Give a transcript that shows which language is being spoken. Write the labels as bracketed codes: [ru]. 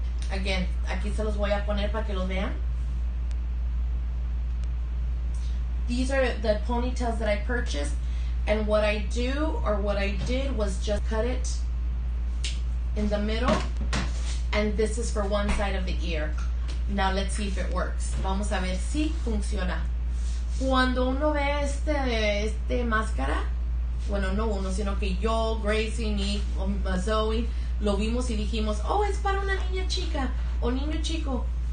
[es] Again, aquí se los voy a poner para que los vean. [en] These are the ponytails that I purchased, and what I do or what I did was just cut it in the middle, and this is for one side of the ear. Now let's see if it works. [es] Vamos a ver si funciona. Cuando uno ve este máscara, bueno, no uno, sino que yo, Gracie, me, Zoe, lo vimos y dijimos, oh, es para una niña chica o niño chico.